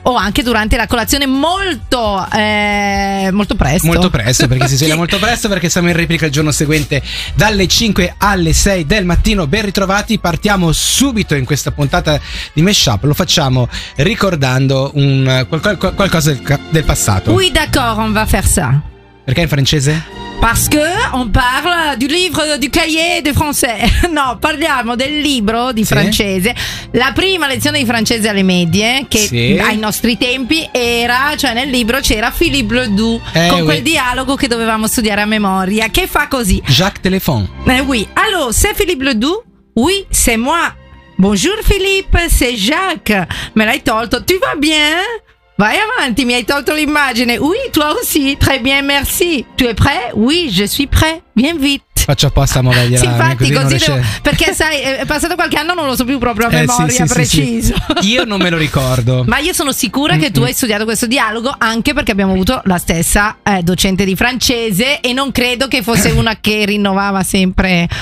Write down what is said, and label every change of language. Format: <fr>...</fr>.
<it>o anche durante la colazione molto molto presto. Molto presto, perché si sveglia molto presto, perché siamo in replica il giorno seguente dalle 5 alle 6 del mattino. Ben ritrovati, partiamo subito in questa puntata di Mashup. Lo facciamo ricordando un qualcosa del passato.</it> <fr>Oui d'accord, on va faire ça.</fr> <it>Perché in francese?</it> <fr>Parce que on parle du livre du cahier de français.</fr> <it>No, parliamo del libro di francese. La prima lezione di francese alle medie, che ai nostri tempi era, cioè nel libro c'era Philippe Ledoux, con quel dialogo che dovevamo studiare a memoria, che fa così:</it> <fr>Jacques Téléphone. Oui. Allô, c'est Philippe Ledoux? Oui, c'est moi. Bonjour Philippe, c'est Jacques.</fr> <it>Me l'hai tolto. Tu vas bien? Vai avanti, mi hai tolto l'immagine.</it> <fr>Oui, toi aussi. Très bien, merci. Tu es prêt? Oui, je suis prêt. Bien vite.</fr> <it>Faccio apposta a muovergliela. Sì, infatti, così devo, perché sai, è passato qualche anno, non lo so più proprio a memoria, preciso. Sì. Io non me lo ricordo. Ma io sono sicura che tu hai studiato questo dialogo, anche perché abbiamo avuto la stessa docente di francese e non credo che fosse una che rinnovava sempre.</it>